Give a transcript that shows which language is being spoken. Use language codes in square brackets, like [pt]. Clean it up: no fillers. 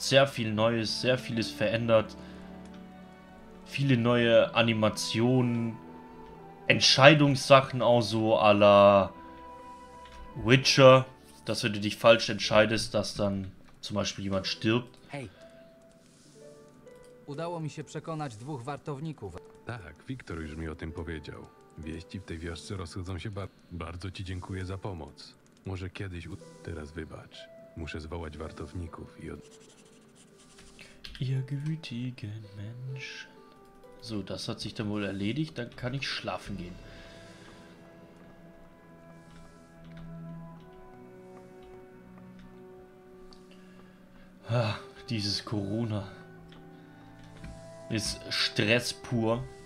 [de] Sehr viel Neues, sehr vieles verändert. Viele neue Animationen. Entscheidungssachen auch so à la Witcher. Dass wenn du dich falsch entscheidest, dass dann zum Beispiel jemand stirbt. Hey. [pl] Udało mi się przekonać dwóch wartowników. Tak, Wiktor już mi o tym powiedział. Wieści w tej wiosce rozchodzą się bardzo ci dziękuję za pomoc. Może kiedyś... Teraz wybacz. Muszę zwołać wartowników i od... [de] Ihr gütigen Menschen. So, das hat sich dann wohl erledigt, dann kann ich schlafen gehen. Ah, dieses Corona. Ist Stress pur.